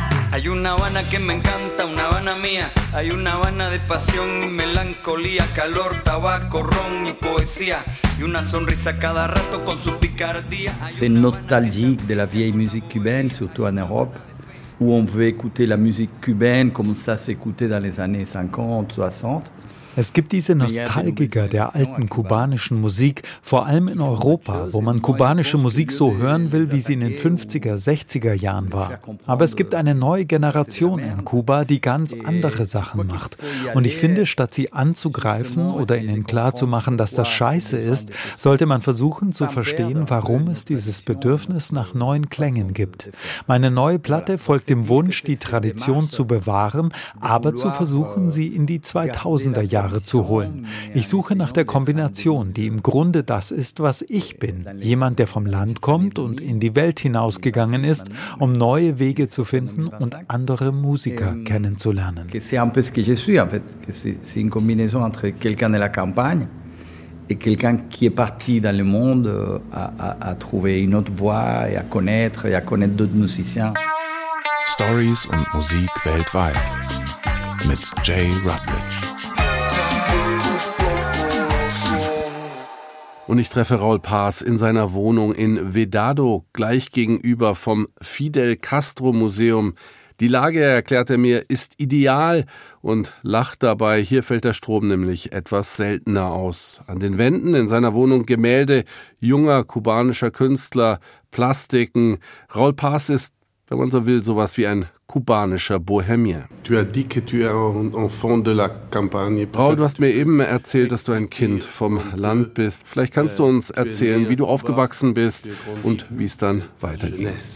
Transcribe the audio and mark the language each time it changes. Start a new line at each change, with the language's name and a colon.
Spanish: Hay una Habana que me encanta, una Habana mía. Hay una Habana de pasión y melancolía, calor, tabaco, ron y poesía. Y una sonrisa cada rato con su picardía.
French: C'est nostalgique de la vieille musique cubaine, surtout en Europe, où on veut écouter la musique cubaine comme ça s'écoutait dans les années 50, 60.
German: Es gibt diese Nostalgiker der alten kubanischen Musik, vor allem in Europa, wo man kubanische Musik so hören will, wie sie in den 50er, 60er Jahren war. Aber es gibt eine neue Generation in Kuba, die ganz andere Sachen macht. Und ich finde, statt sie anzugreifen oder ihnen klarzumachen, dass das scheiße ist, sollte man versuchen zu verstehen, warum es dieses Bedürfnis nach neuen Klängen gibt. Meine neue Platte folgt dem Wunsch, die Tradition zu bewahren, aber zu versuchen, sie in die 2000er Jahre zu holen. Ich suche nach der Kombination, die im Grunde das ist, was ich bin. Jemand, der vom Land kommt und in die Welt hinausgegangen ist, um neue Wege zu finden und andere Musiker kennenzulernen.
French: C'est un peu ce que je suis, en fait. C'est une combinaison entre quelqu'un de la campagne et quelqu'un qui est parti dans le monde à trouver une autre voie et à connaître d'autres musiciens.
German: Stories und Musik weltweit mit Jay Rutledge. Und ich treffe Raúl Paz in seiner Wohnung in Vedado, gleich gegenüber vom Fidel Castro Museum. Die Lage, erklärt er mir, ist ideal und lacht dabei. Hier fällt der Strom nämlich etwas seltener aus. An den Wänden in seiner Wohnung Gemälde junger kubanischer Künstler, Plastiken. Raúl Paz ist, wenn man so will, sowas wie ein kubanischer Bohemier. Du hast
French: dit que tu es un enfant de la campagne.
German: Raúl, du hast mir eben erzählt, dass du ein Kind vom Land bist. Vielleicht kannst du uns erzählen, wie du aufgewachsen bist und wie es dann weiterging.